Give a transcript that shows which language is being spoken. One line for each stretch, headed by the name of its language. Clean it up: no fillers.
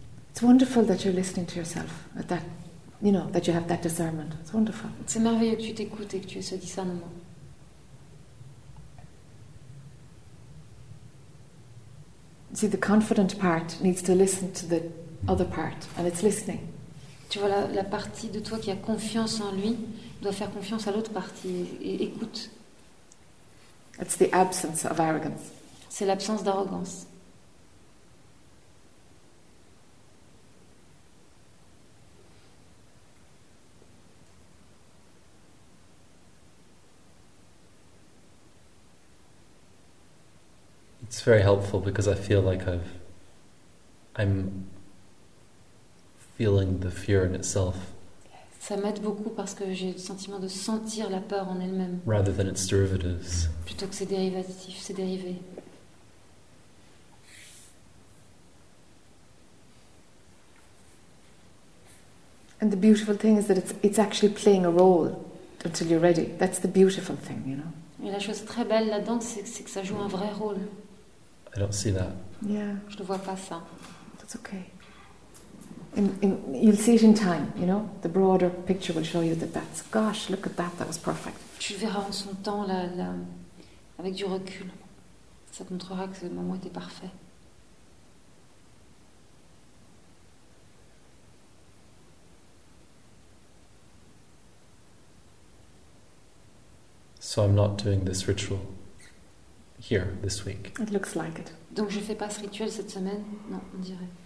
English: It's wonderful that you're listening to yourself at that. You know, that you have that discernment. It's wonderful.
French: C'est merveilleux que tu t'écoutes et que tu aies ce discernement.
English: See, the confident part needs to listen to the other part, and it's listening.
French: Tu vois, la partie de toi qui a confiance en lui doit faire confiance à l'autre partie et écoute.
English: It's the absence of arrogance.
French: C'est l'absence d'arrogance.
English: It's very helpful because I feel like I'm feeling the fear in itself. Yes.
French: Ça m'aide beaucoup parce que j'ai le sentiment de sentir la peur en elle-même.
English: Rather than its derivatives.
French: Plutôt que ses dérivatifs, ses dérivés.
English: And the beautiful thing is that it's actually playing a role until you're ready. That's the beautiful thing, you know.
French: Et la chose très belle là-dedans, c'est que ça joue un vrai rôle.
English: I don't see that. Yeah.
French: Je ne vois pas ça.
English: That's okay. In, you'll see it in time, you know. The broader picture will show you that that's, gosh, look at that, that was perfect.
French: Tu le verras en son temps, là, avec du recul. Ça te montrera que ce moment était parfait.
English: So I'm not doing this ritual here this week. It looks like it.
French: Donc je fais pas ce rituel cette semaine, non, on dirait.